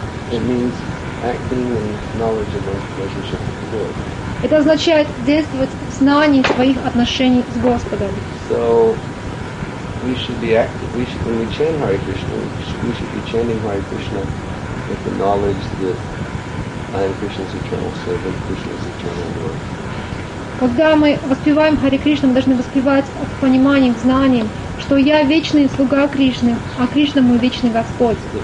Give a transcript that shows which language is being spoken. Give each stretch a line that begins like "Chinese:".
English: It means acting in knowledge of one's relationship with the Lord.
Russian: Это означает действовать в знании своих отношений с Господом.
English: So we should be active. We should, when we chant Hare Krishna, we should be chanting Hare Krishna with the knowledge that I am Krishna's eternal servant, Krishna's eternal Lord.
Russian: Когда мы воспеваем Харе Кришну, мы должны воспевать с пониманием, знанием, что я вечный слуга Кришны, а Кришна мой вечный Господь.